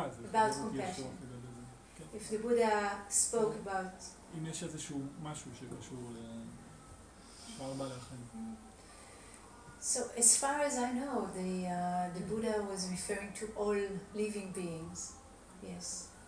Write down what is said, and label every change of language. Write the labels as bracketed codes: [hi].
[en] About compassion. If the Buddha spoke about [he] אם יש איזשהו משהו שקשור לשאר בעלי החיים. [en] So, as far as I know, the Buddha was referring to all living beings. Yes.